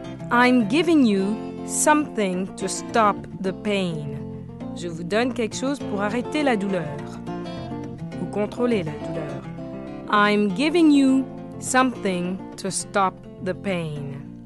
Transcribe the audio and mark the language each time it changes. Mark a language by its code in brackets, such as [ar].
[en] I'm giving you something to stop the pain. [fr] Je vous donne quelque chose pour arrêter la douleur. Ou contrôler la douleur. [en] I'm giving you something to stop the pain.